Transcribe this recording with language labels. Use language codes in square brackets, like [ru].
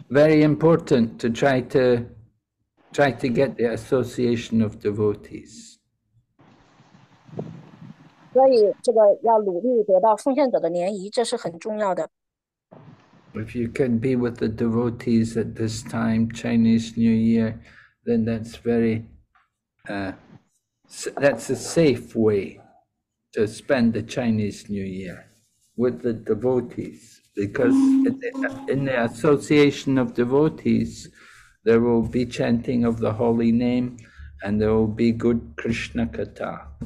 [en] very important to try to get the association of devotees. [zh] 所以这个要努力得到奉献者的联谊，这是很重要的。 [en] If you can be with the devotees at this time, Chinese New Year, then that's very, that's a safe way to spend the Chinese New Year with the devotees, because in the association of devotees, there will be chanting of the holy name, and there will be good Krishna katha.